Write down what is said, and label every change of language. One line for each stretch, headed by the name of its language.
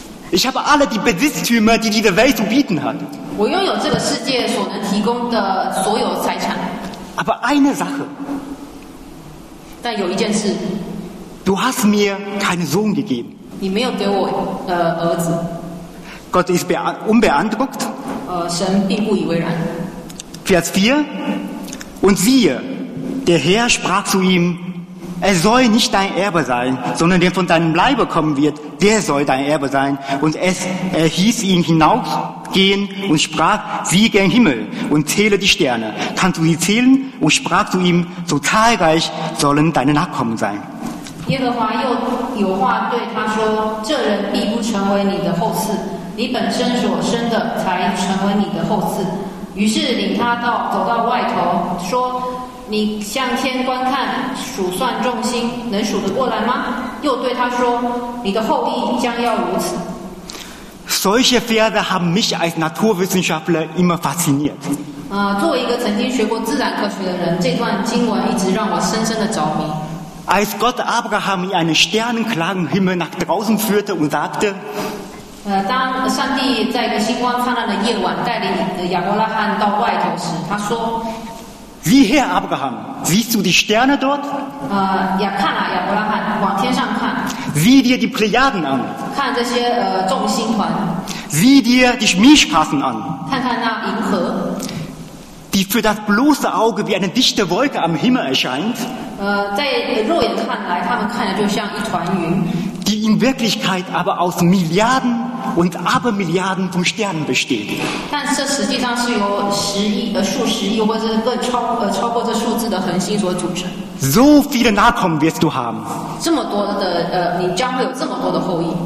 German: Ich habe alle die Besitztümer, die diese Welt zu bieten hat.
Chinese: 我拥有这个世界所能提供的所有财产。
German: Aber eine Sache.
Chinese: 但有一件事
German: Du hast mir keinen Sohn gegeben.
Chinese: 你没有给我儿子。
German: Gott ist unbeeindruckt.
Chinese: 神并不以为然。
German: Vers 4. Und siehe, der Herr sprach zu ihm, er soll nicht dein Erbe sein, sondern der von deinem Leibe kommen wird, der soll dein Erbe sein. Und er hieß ihn hinausgehen und sprach, sieh gen Himmel und zähle die Sterne. Kannst du sie zählen? Und sprach zu ihm, so zahlreich sollen deine Nachkommen sein.
Chinese: 耶和华又有话对他说，这人必不成为你的后嗣，你本身所生的才成为你的后嗣。于是领他到走到外头说，你向天观看，数算众星，能数得过来吗？又对他说，你的后裔将要如此。
German: Solche Verse haben mich als Naturwissenschaftler immer fasziniert.
Chinese: 作为一个曾经学过自然科学的人，这段经文一直让我深深的着迷。
German: Als Gott Abraham in einen sternenklaren Himmel nach draußen führte und sagte,
Chinese: 当上帝在一个星光灿烂的夜晚带领亚伯拉罕到外头时，他说。
German: Sieh her, Abraham, siehst du die Sterne dort?
Chinese: Ja, 看了亚伯拉罕，往天上看。
German: Sieh dir die Plejaden an.
Chinese: 看这些众星团。
German: Sieh dir die Milchstraßen an.
Chinese: 看看那银河。
German: Die für das bloße Auge wie eine dichte Wolke am Himmel erscheint.
Chinese: 在肉眼看来，他们看着就像一团云。
German: Die in Wirklichkeit aber aus Milliarden und Abermilliarden von Sternen besteht.
Chinese: 但这实际上是由十亿、数十亿或者更超过这数字的恒星所组成。
German: So viele Nachkommen wirst du haben.
Chinese: 这么多的你将会有这么多的后裔。